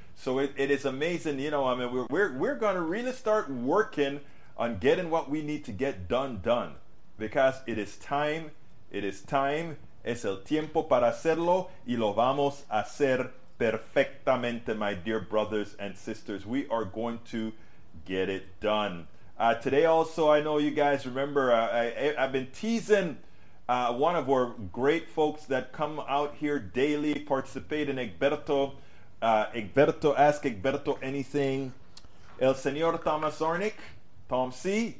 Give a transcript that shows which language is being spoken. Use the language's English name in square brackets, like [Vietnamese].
[English] So it is amazing, you know. I mean, we're going to really start working on getting what we need to get done because it is time. It is time. [Spanish] Es el tiempo para hacerlo y lo vamos a hacer perfectamente, [English] my dear brothers and sisters. We are going to get it done. Today also, I know you guys remember, I've been teasing one of our great folks that come out here daily, participate in Egberto. Egberto, ask Egberto anything. El Señor Thomas Zarnik, Tom C.